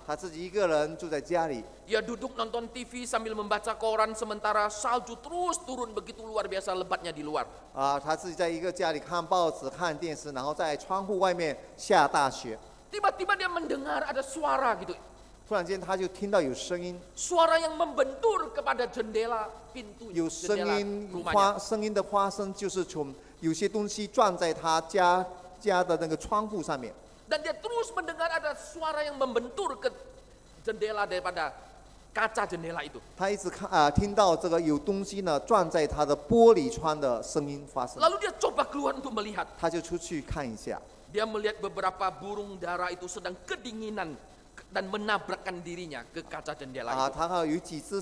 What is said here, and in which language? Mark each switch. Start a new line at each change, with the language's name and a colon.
Chinese: 他自己一个人住在家里.
Indonesian: Ia duduk nonton TV sambil membaca koran sementara salju terus turun begitu luar biasa lebatnya di luar.
Chinese: 他自己在一个家里看报纸看电视，然后在窗户外面下大雪.
Indonesian: Tiba-tiba dia mendengar ada suara gitu.
Chinese: 突然间他就听到有声音.
Indonesian: Suara yang membentur kepada jendela pintu.
Chinese: 有声音的发声就是从有些东西撞在他家的那个窗户上面.
Indonesian: Dan dia terus mendengar ada suara yang membentur ke jendela daripada kaca jendela itu.
Chinese: 他一直听到这个有东西呢撞在他的玻璃窗的声音发生.
Indonesian: Lalu dia coba keluar untuk melihat.
Chinese: 他就出去看一下.
Indonesian: Dia melihat beberapa burung dara itu sedang kedinginan dan menabrakkan dirinya ke kaca jendela itu.